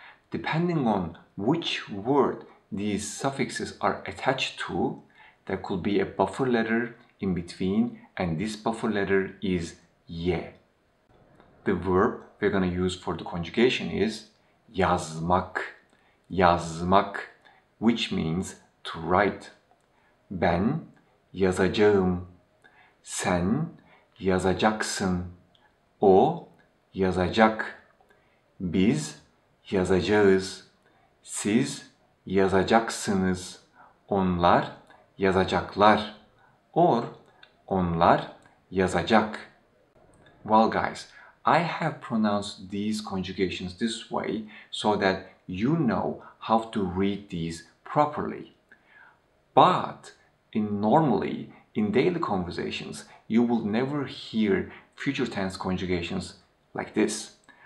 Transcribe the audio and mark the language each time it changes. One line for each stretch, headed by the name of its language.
English: Depending on which word these suffixes are attached to, there could be a buffer letter in between, and this buffer letter is ye. The verb we're going to use for the conjugation is yazmak, yazmak, which means to write.
Turkish: Ben yazacağım, sen yazacaksın, o yazacak, biz yazacağız, siz yazacaksınız, onlar yazacaklar, or onlar yazacak.
English: Well guys, I have pronounced these conjugations this way so that you know how to read these properly. But normally, in daily conversations, you will never hear future tense conjugations like this.